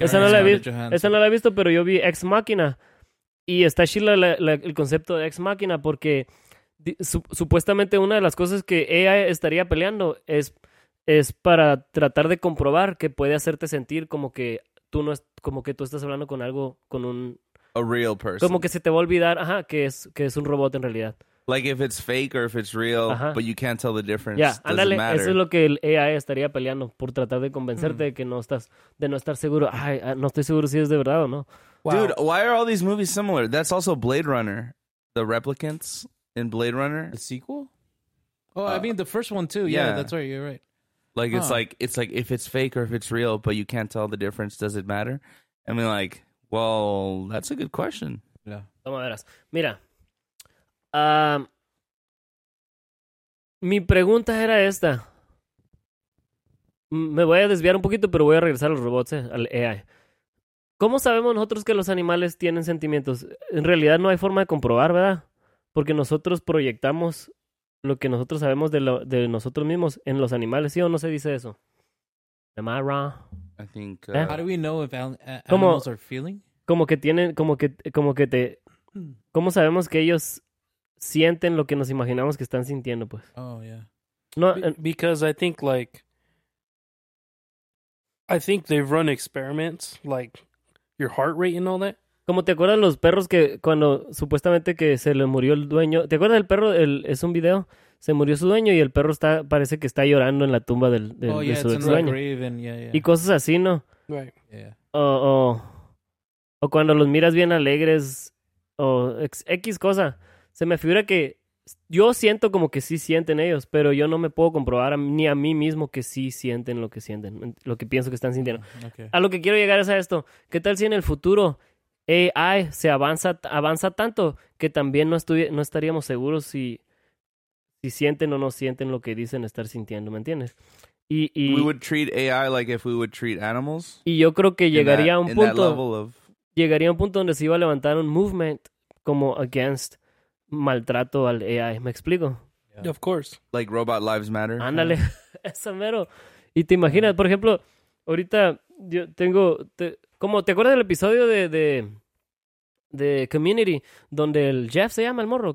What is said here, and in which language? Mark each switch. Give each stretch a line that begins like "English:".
Spanish: esa no la he visto, pero yo vi Ex Machina. Y está chila el concepto de Ex Machina porque supuestamente una de las cosas que AI estaría peleando es para tratar de comprobar que puede hacerte sentir como que tú no como que tú estás hablando con algo, con un...
English: A real person.
Spanish: Como que se te va a olvidar, ajá, que es un robot en realidad.
English: Like if it's fake or if it's real, ajá. But you can't tell the difference. Yeah,
Spanish: ándale, eso es lo que el AI estaría peleando por tratar de convencerte de que no estás, de no estar seguro. Ay, no estoy seguro si es de verdad o no.
English: Wow. Dude, why are all these movies similar? That's also Blade Runner. The replicants in Blade Runner. The sequel? Oh, I mean the first one too. Yeah, that's right, you're right. Like it's like if it's fake or if it's real, but you can't tell the difference, does it matter? I mean like... Well, that's a good question. Yeah.
Spanish: Toma veras. Mira. Mi pregunta era esta. Me voy a desviar un poquito, pero voy a regresar a los robots, al AI. ¿Cómo sabemos nosotros que los animales tienen sentimientos? En realidad no hay forma de comprobar, ¿verdad? Porque nosotros proyectamos lo que nosotros sabemos de nosotros mismos en los animales. ¿Sí o no se dice eso?
English: Am I wrong? I think... How do we know if animals are feeling?
Spanish: Como que tienen... Como que te... ¿Cómo sabemos que ellos sienten lo que nos imaginamos que están sintiendo, pues?
English: Oh, yeah.
Spanish: No,
English: because I think, like... I think they've run experiments, like your heart rate and all that.
Spanish: Como te acuerdas los perros que cuando supuestamente que se le murió el dueño... ¿Te acuerdas del perro? Es un video... Se murió su dueño y el perro parece que está llorando en la tumba de su ex dueño. Y cosas así, ¿no?
English: Right. Yeah.
Spanish: O cuando los miras bien alegres o X cosa. Se me figura que yo siento como que sí sienten ellos, pero yo no me puedo comprobar ni a mí mismo que sí sienten, lo que pienso que están sintiendo. Okay. A lo que quiero llegar es a esto. ¿Qué tal si en el futuro AI se avanza tanto que también no estaríamos seguros si sienten o no sienten lo que dicen estar sintiendo, ¿me entiendes?
English: Y we would treat AI like if we would treat animals.
Spanish: Y yo creo que llegaría a un punto donde se iba a levantar un
English: movement
Spanish: como
English: against
Spanish: maltrato al AI, ¿me explico?
English: Yeah. Of course. Like Robot Lives Matter.
Spanish: Ándale, eso mero. Y te imaginas, por ejemplo, ahorita yo tengo ¿te acuerdas del episodio de Community, donde el Jeff se llama el morro?